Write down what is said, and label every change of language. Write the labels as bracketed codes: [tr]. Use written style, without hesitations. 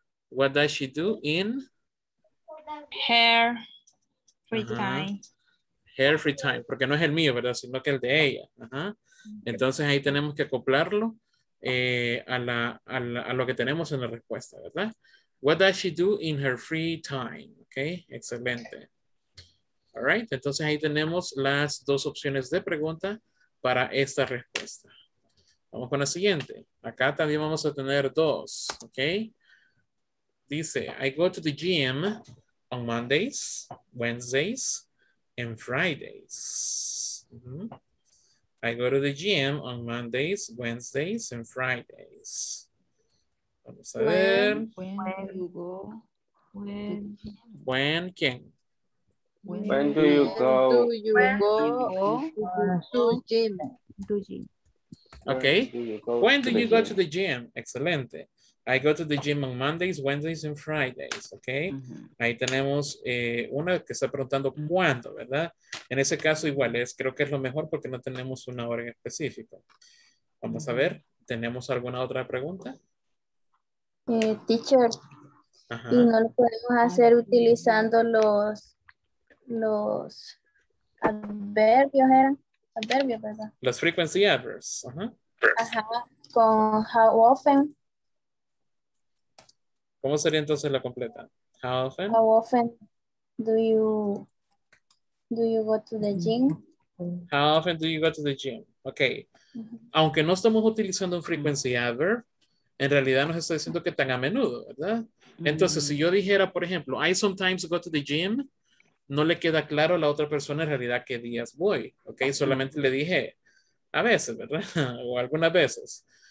[en] What does she do in? Her free time, [es] porque no es el mío, ¿verdad? Sino que el de ella. Ajá. Entonces ahí tenemos que acoplarlo a lo que tenemos en la respuesta, ¿verdad? [en] What does she do in her free time? [es] Ok, excelente. [en] All right, [es] entonces ahí tenemos las dos opciones de pregunta para esta respuesta. Vamos con la siguiente. Acá también vamos a tener dos, ¿ok? [en] Dice, I go to the gym on Mondays, Wednesdays, and Fridays. I go to the gym on Mondays, Wednesdays, and Fridays. [es] Vamos a ver. [en] When you go? When? When do you go? When do you go to the gym? Okay. When do you go to the gym? Excelente. I go to the gym on Mondays, Wednesdays, and Fridays. Okay. [es] Ahí tenemos una que está preguntando cuándo, ¿verdad? En ese caso, igual es, creo que es lo mejor porque no tenemos una hora en específico. Vamos a ver. ¿Tenemos alguna otra pregunta? Teacher. Ajá. Y no lo podemos hacer utilizando los adverbios, ¿eran? Adverbios, ¿verdad? Los frequency adverbs. Ajá. Ajá. Con how often. ¿Cómo sería entonces la completa? How often? [en] How often do you go to the gym? How often do you go to the gym? Okay. Uh-huh. [es] Aunque no estamos utilizando un frequency adverb, en realidad nos está diciendo que tan a menudo, ¿verdad? Entonces, si yo dijera, por ejemplo, [en] I sometimes go to the gym, [es] no le queda claro a la otra persona en realidad qué días voy, ¿ok? Solamente le dije a veces, ¿verdad? O algunas veces.